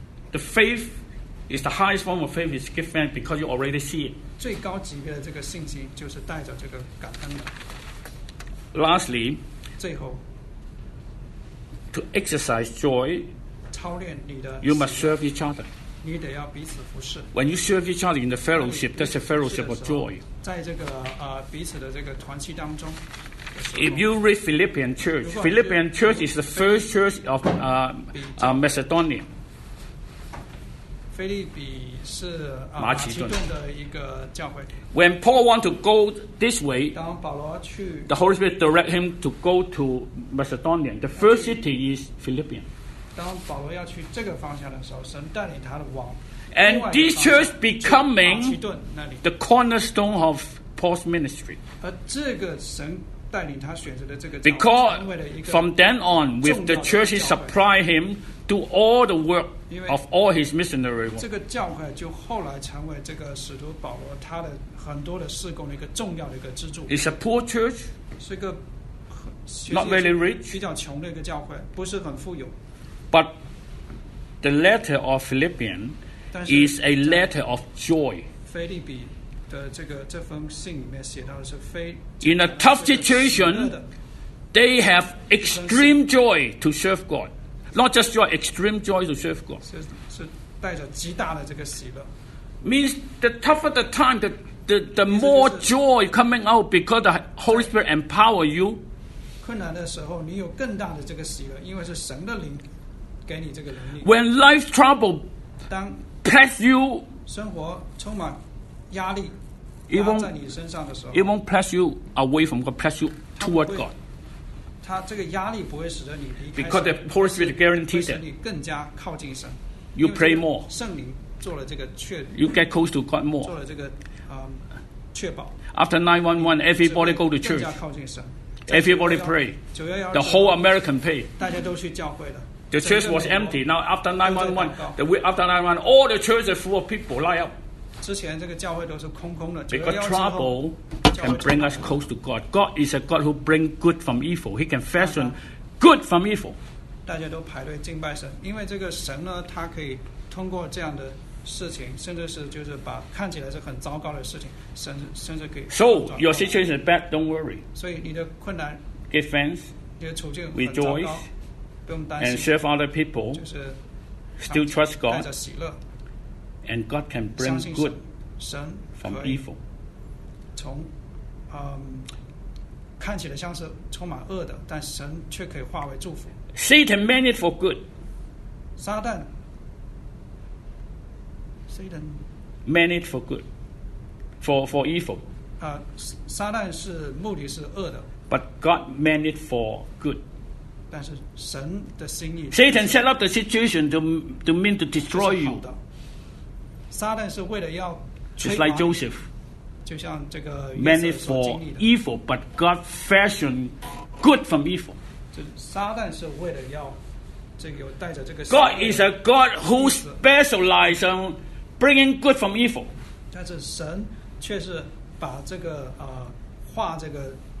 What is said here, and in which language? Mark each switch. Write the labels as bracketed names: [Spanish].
[English] The faith is the highest form of faith is give thanks because you already see it. [Chinese] 最高级别的这个信心就是带着这个感恩的。 [English] Lastly, [Chinese] 最后 [English] to exercise joy, [Chinese] 操练你的 [English] you must serve each other. [Chinese] 你得要彼此服侍。 [English] When you serve each other in the fellowship, that's a fellowship of joy. [Chinese] 在这个彼此的这个团契当中。 [English] If you read Philippian church, Philippian church is the first church of Macedonia. [Chinese] 菲利比是马其顿的一个教会。 [English] When Paul want to go this way, [Chinese] 当保罗去 [English] the Holy Spirit direct him to go to Macedonia. The first city is Philippian. [Chinese] 当保罗要去这个方向的时候，神带领他的往。 [English] And this church becoming [Chinese] 马其顿那里 [English] the cornerstone of Paul's ministry. [Chinese] 而这个神带领他选择的这个。 [English] Because from then on, with the church supply him do all the work of all his missionary work. [Chinese] 这个教会就后来成为这个使徒保罗他的很多的事工的一个重要的一个支柱。 [English] It's a poor church. [Chinese] 是个 [English] not very rich. [Chinese] 比较穷的一个教会，不是很富有。 [English] But the letter of Philippians is a letter of joy. [Chinese] 腓立比的这个这封信里面写到的是非。 [English] In a tough situation, they have extreme joy to serve God. Not just joy, extreme joy to serve God. [Chinese] 是带着极大的这个喜乐。 [English] Means the tougher the time, the more joy coming out because the Holy Spirit empower you. [Chinese] 困难的时候，你有更大的这个喜乐，因为是神的灵。 [English] When life trouble press you, [Chinese] 生活充满压力，压在你身上的时候， [English] it won't press you away from God, press you toward God. [Chinese] 它这个压力不会使得你离开神， [English] because the Holy Spirit guarantees that. [Chinese] 会使你更加靠近神。 [English] You pray more. [Chinese] 圣灵做了这个确。 [English] You get close to God more. [Chinese] 做了这个确保。 [English] After 9/11, everybody go to church. [Chinese] 更加靠近神。 [English] Everybody pray. [Chinese] 911, [English] the whole American pray. [Chinese] 大家都去教会了。 [English] The church was empty. Now after 9/11, the week after 9/11, all the churches are full of people. Line up. [Chinese] 之前这个教会都是空空的。 [English] Because trouble can bring us close to God. God is a God who bring good from evil. He can fashion good from evil. [Chinese] 大家都排队敬拜神，因为这个神呢，他可以通过这样的事情，甚至是就是把看起来是很糟糕的事情，甚至可以。 [English] So your situation is bad. Don't worry. [Chinese] 所以你的困难。 [English] Give thanks. [Chinese] 你的处境很糟糕。 [English] Rejoice. And serve other people, still trust God, and God can bring good from evil. [Chinese] 从看起来像是充满恶的，但神却可以化为祝福。 [English] Satan meant it for good. Satan meant it for good, for evil. [Chinese] 撒旦是目的是恶的。 [English] But God meant it for good. [Chinese] 但是神的心意 [English] Satan set up the situation to mean to destroy you. [Chinese] 撒旦是为了要 [English] Just like Joseph. [Chinese] 就像这个 [English] Meant it for evil, but God fashioned good from evil. [Chinese] 撒旦是为了要这个带着这个 [English] God is a God who specializes on bringing good from evil. [Chinese] 但是神却是把这个化这个